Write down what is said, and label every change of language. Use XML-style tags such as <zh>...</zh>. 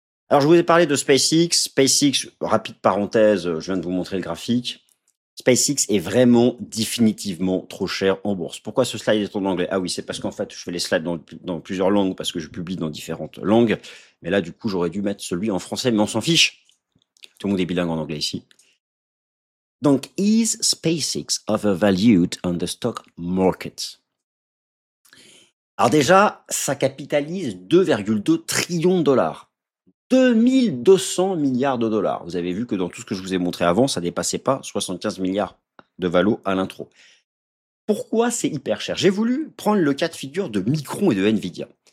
<fr>Alors, je vous ai parlé de SpaceX. SpaceX, rapide parenthèse, je viens de vous montrer le graphique. SpaceX est vraiment définitivement trop cher en bourse. Pourquoi ce slide est en anglais? Ah oui, c'est parce qu'en fait, je fais les slides dans plusieurs langues parce que je publie dans différentes langues. Mais là, du coup, j'aurais dû mettre celui en français, mais on s'en fiche. Tout le monde est bilingue en anglais ici. Donc,</fr> <en>is SpaceX overvalued on the stock market?</en> <fr>Alors déjà, ça capitalise 2,2 trillions de dollars. 2200 milliards de dollars. Vous avez vu que dans tout ce que je vous ai montré avant, ça ne dépassait pas 75 milliards de valo à l'intro. Pourquoi c'est hyper cher? J'ai voulu prendre le cas de figure de Micron et de Nvidia.</fr>